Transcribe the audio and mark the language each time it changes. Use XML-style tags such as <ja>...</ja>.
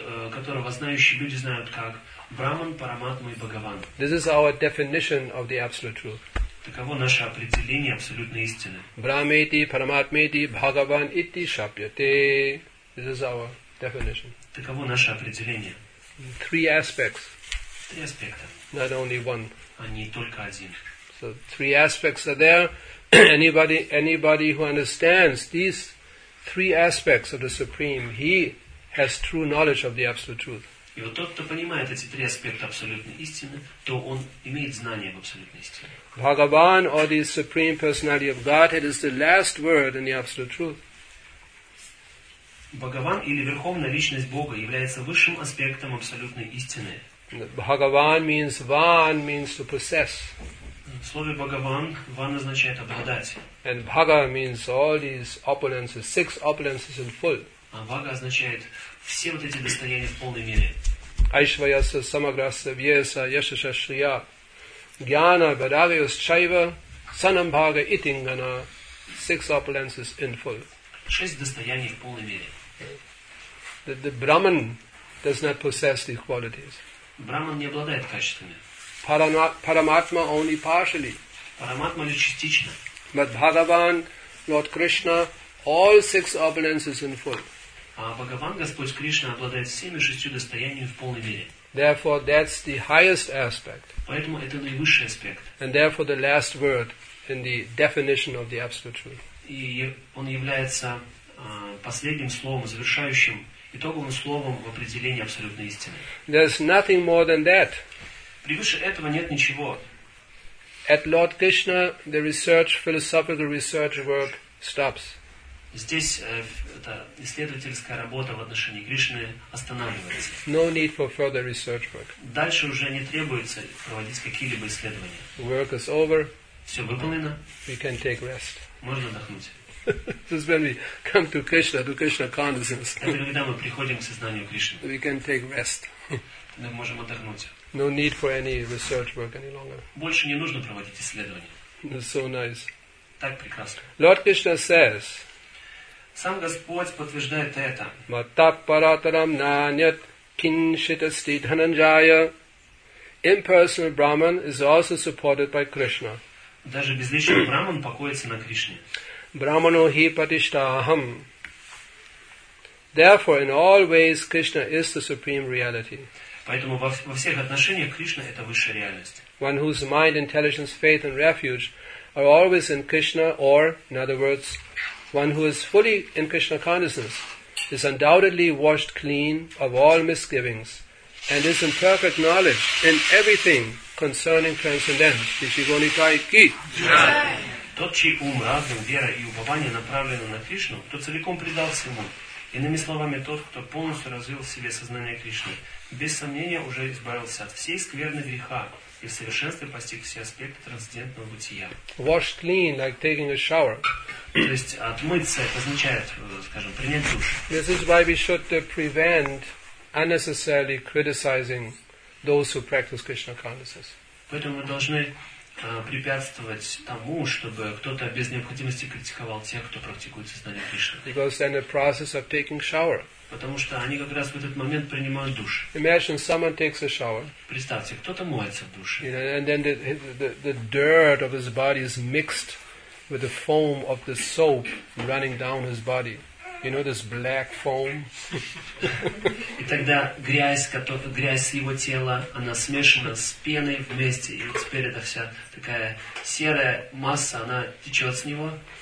<ru>Которого знающие люди знают как Брахман, Параматма и Бхагаван.</ru> <en>This is our definition of the absolute truth.</en> <ru>Таково наше определение абсолютной истины.</ru> <sa>Брахмети, Параматмети, Бхагаван ити шапьяте.</sa> <en>This is our definition.</en> <ru>Таково наше определение.</ru> <en>Three aspects.</en> <ru>Три аспекта.</ru> <en>Not only one.</en> <ru>А не только один.</ru> <en>So three aspects are there. Anybody who understands these three aspects of the Supreme, he has true knowledge of the Absolute Truth.</en> <ru>И вот тот, кто понимает эти три аспекта абсолютной истины, то он имеет знание в абсолютной истине.</ru> <en>Bhagavan, or the Supreme Personality of Godhead, is the last word in the Absolute Truth.</en> <ru>Bhagavan, или Верховная Личность Бога, является высшим аспектом абсолютной истины.</ru> <en>Bhagavan means van, means to possess.</en> <ru>В слове Бхагаван ван означает обладать.</ru> <en>And Bhaga means all these opulences, six opulences in full.</en> <ru>А Бхага означает все вот эти достояния в полной мере.</ru> <sa>Айшваяса самаграса вьеса яшаша шрия гьяна бадавиус чайва санам бхага итингана.</sa> <en>Six opulences in full.</en> <ru>Шесть достояний в полной мере.</ru> <en>The Brahman does not possess these qualities.</en> <ru>Brahman не обладает качествами.</ru> <en>Paramatma only partially.</en> <ru>Paramatma лишь частично.</ru> <en>But Bhagavan, Lord Krishna, all six opulences in full.</en> <ru>А Бхагаван, Господь Кришна, обладает всеми шестью достояниями в полной мере.</ru> <en>Therefore, that's the highest aspect.</en> <ru>Поэтому это наивысший аспект.</ru> <en>And therefore, the last word in the definition of the Absolute Truth.</en> <ru>И он является последним словом, завершающим, итоговым словом в определении абсолютной истины.</ru> <en>There's nothing more than that.</en> <ru>Превыше этого нет ничего.</ru> <en>At Lord Krishna, the research, philosophical research work stops.</en> <ru>Здесь эта исследовательская работа в отношении Кришны останавливается.</ru> <en>No need for further research work.</en> <ru>Дальше уже не требуется проводить какие-либо исследования.</ru> <en>Work is over.</en> <ru>Все выполнено.</ru> <en>We can take rest.</en> <ru>Можно отдохнуть.</ru> <en>This is when we come to Krishna consciousness.</en> <ru>Это когда мы приходим к сознанию Кришны.</ru> <en>We can take rest.</en> <ru>Мы можем отдохнуть.</ru> <en>No need for any research work any longer.</en> <ru>Больше не нужно проводить исследования.</ru> <en>That's so nice.</en> <ru>Так прекрасно.</ru> <en>Lord Krishna says.</en> <ru>Сам Господь подтверждает это.</ru> <sa>Матапаратарам нанят киншитасти дхананджая.</sa> <en>Impersonal Brahman is also supported by Krishna.</en> <ru>Даже безличный Брахман покоится на Кришне.</ru> <sa>Брахмано хи патиштахам.</sa> <en>Therefore, in all ways, Krishna is the supreme reality.</en> <ru>Поэтому во всех отношениях Кришна – это высшая реальность.</ru> <en>One whose mind, intelligence, faith and refuge are always in Krishna, or, in other words, one who is fully in Krishna consciousness, is undoubtedly washed clean of all misgivings and is in perfect knowledge in everything concerning transcendence. Дишигони Кай Ки.</en> <ru>Тот, чей ум, разум, вера и упование направлены на Кришну, кто целиком предал всему. Иными словами, тот, кто полностью развил в себе сознание Кришны, без сомнения уже избавился от всей скверны греха и в совершенстве постиг все аспекты трансцендентного бытия.</ru> <en>Washed clean, like taking a shower.</en> <ru>То есть отмыться означает, скажем, принять душ.</ru> <en>This is why we should prevent unnecessarily criticizing those who practice Krishna consciousness.</en> <ru>Поэтому мы должны препятствовать тому, чтобы кто-то без необходимости критиковал тех, кто практикует сознание Кришны.</ru> <en>Because they're in the process of taking shower.</en> <ru>Потому что они как раз в этот момент принимают душ.</ru> <en>Imagine someone takes a shower.</en> <ru>Представьте, кто-то моется в душе.</ru> <en>You know, and then the dirt of his body is mixed with the foam of the soap running down his body. You know this black foam?</en> <ru>И тогда грязь его тела, она смешана с пеной вместе. И теперь эта вся такая серая масса, она течет с него.</ru>